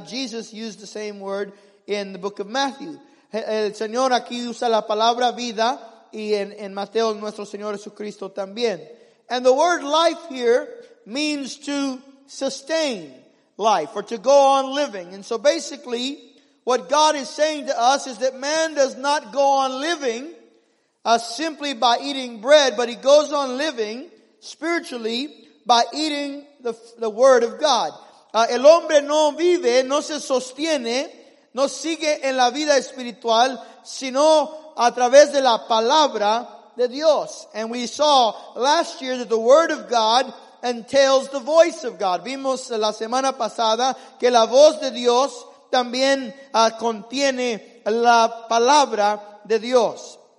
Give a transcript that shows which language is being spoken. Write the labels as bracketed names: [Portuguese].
[English] Jesus used the same word in the book of Matthew. [Spanish] El Señor aquí usa la palabra vida y en Mateo nuestro Señor Jesucristo también. [English] And the word life here means to sustain life or to go on living. And so basically what God is saying to us is that man does not go on living simply by eating bread, but he goes on living spiritually by eating the word of God. [Spanish] El hombre no vive, no se sostiene, no sigue en la vida espiritual, sino a través de la palabra de Dios. [English] And we saw last year that the word of God entails the voice of God. [Spanish] Vimos la semana pasada que la voz de Dios también contiene la palabra de Dios.